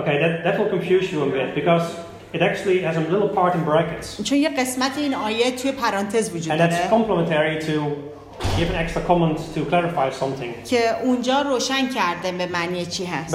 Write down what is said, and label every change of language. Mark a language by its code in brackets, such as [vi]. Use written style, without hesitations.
[en] Okay, that will confuse you a bit because it actually has a little part in brackets. [fa] چون یه قسمت این آیه توی پرانتز وجود داره. [en] And that's complementary to give an extra comment to clarify something. [fa] که اونجا روشن کرده به معنی چی هست.